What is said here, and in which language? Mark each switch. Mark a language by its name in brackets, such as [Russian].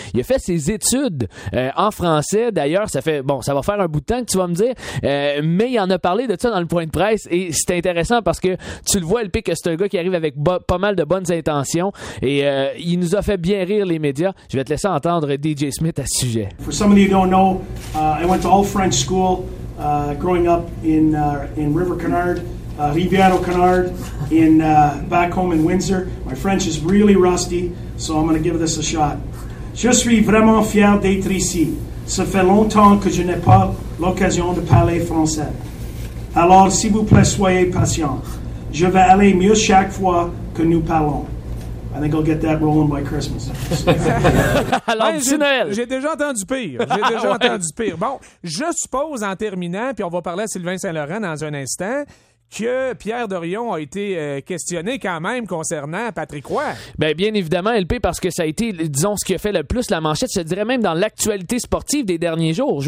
[French] Il a fait ses études en français. D'ailleurs, ça fait bon, ça va faire un bout de temps que tu vas me dire, mais il en a parlé de ça dans le point de presse et c'est intéressant parce que tu le vois, LP, que c'est un gars qui arrive avec pas mal de bonnes intentions et il nous a fait bien rire les médias. Je vais te laisser entendre DJ Smith à ce sujet. [English] For some of you don't know, I went to all French school growing up in River Canard, Rivière Canard, back home in Windsor. My French is really rusty, so I'm going to give this a shot. [French] Je suis vraiment fier d'être ici. Ça fait longtemps que je n'ai pas l'occasion de parler français. Alors, s'il vous plaît, soyez patient. Je vais aller mieux chaque fois que nous parlons. [English] I think I'll get that rolling by Christmas. [French] Alors, ouais, j'ai déjà entendu pire. J'ai déjà entendu pire. Bon, je suppose, en terminant, puis on va parler à Sylvain Saint-Laurent dans un instant, que Pierre Dorion a été questionné quand même concernant Patrick Roy. Bien évidemment, LP, parce que ça a été, disons, ce qui a fait le plus la manchette, je dirais même dans l'actualité sportive des derniers jours.